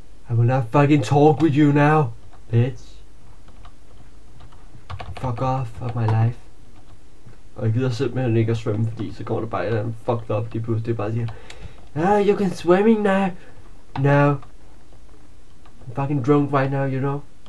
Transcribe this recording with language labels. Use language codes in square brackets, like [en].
[en] I will not fucking talk with you now, bitch. Fuck off of my life. [da] Og jeg gider simpelthen ikke at svømme, fordi så kommer der bare en fucked up lige pludselig. Det er bare siger, [en] ah, you can swimming now. No. I'm fucking drunk right now, you know.